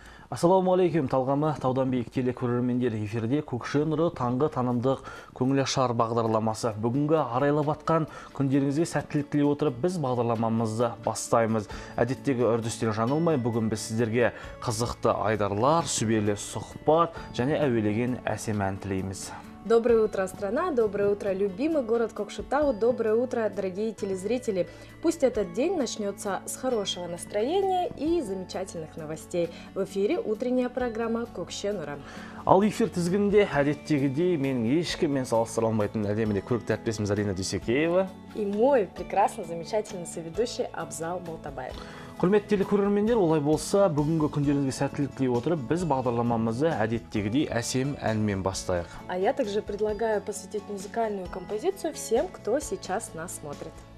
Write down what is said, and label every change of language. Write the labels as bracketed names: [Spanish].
[Kazakh] Ассаламу алейкум, талғамы таудан биік телекөрермендер, эфирде көкше нұры таңғы танымдық көңілашар бағдарламасы. Бүгінгі арайлы батқан күндеріңізге сәттілік тілей отырып, біз бағдарламамызды бастаймыз. Әдеттегі үрдістен жаңылмай, бүгін біз сіздерге қызықты айдарлар, сүбелі сұхбат және әуелеген әсем ән тілейміз. [Russian] Доброе утро, страна! Доброе утро, любимый город Кокшетау! Доброе утро, дорогие телезрители! Пусть этот день начнется с хорошего настроения и замечательных новостей. В эфире утренняя программа Кокше Нура. [Kazakh] Ал эфир тізгінде әдеттегідей менің ешкіммен салыстырылмайтын әдемі де көрікті әртпесіміз Алина Дюсекеева. [Russian] И мой прекрасный, замечательный соведущий Абзал Болтабаев. [Kazakh] Құрметті телекөрермендер, олай болса, бүгінгі күндеріңізге сәттілік тілей отырып, біз бағдарламамызды әдеттегідей әсем әнмен бастайық. [Russian] А я также предлагаю посвятить музыкальную композицию всем, кто сейчас нас смотрит.